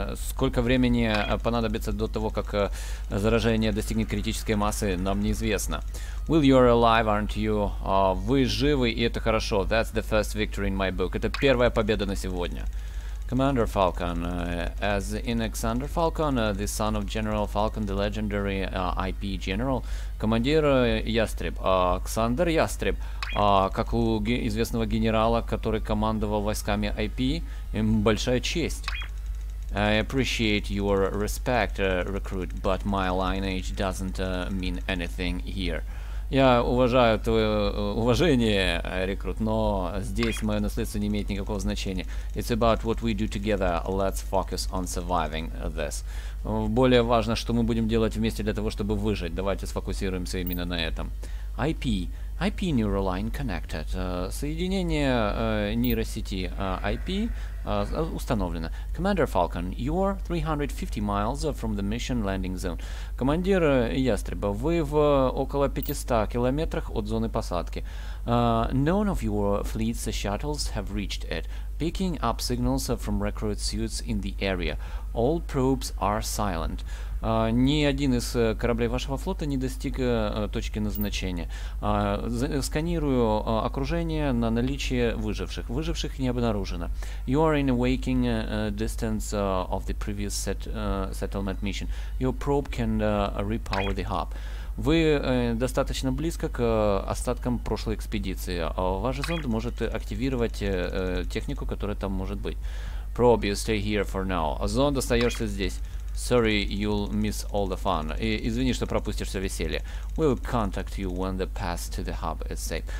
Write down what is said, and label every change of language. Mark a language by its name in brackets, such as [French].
[Russian] Сколько времени понадобится до того, как заражение достигнет критической массы, нам неизвестно. [English] Will you are alive, aren't you? [Russian] Вы живы, и это хорошо. [English] That's the first victory in my book. [Russian] Это первая победа на сегодня. [English] Commander Falcon, as in Alexander Falcon, the son of General Falcon, the legendary IP general. [Russian] Командир Ястреб, Александр Ястреб, как у известного генерала, который командовал войсками IP, им большая честь. [English] I appreciate your respect, recruit, but my lineage doesn't mean anything here. [Russian] Я уважаю твое уважение, рекрут, но здесь мое наследство не имеет никакого значения. [English] It's about what we do together. Let's focus on surviving this. [Russian] Более важно, что мы будем делать вместе для того, чтобы выжить. Давайте сфокусируемся именно на этом. [English] IP. IP Neuraline connected. [Russian] Соединение нейросети IP установлено. [English] Commander Falcon, you are 350 miles from the mission landing zone. [Russian] Командир Ястреба, вы в около 500 километрах от зоны посадки. [English] None of your fleet's shuttles have reached it. Picking up signals from recruit suits in the area. All probes are silent. [Russian] Ни один из кораблей вашего флота не достиг точки назначения. Сканирую окружение на наличие выживших. Выживших не обнаружено. [English] You are in a waking distance of the previous settlement mission. Your probe can repower the hub. [Russian] Вы достаточно близко к остаткам прошлой экспедиции. Ваш зонд может активировать технику, которая там может быть. [English] Probe, you stay here for now. [Russian] Зонд, остаешься здесь. [English] Sorry, you'll miss all the fun. [Russian] Извини, что пропустишь все веселье. [English] We'll contact you when the path to the hub is safe.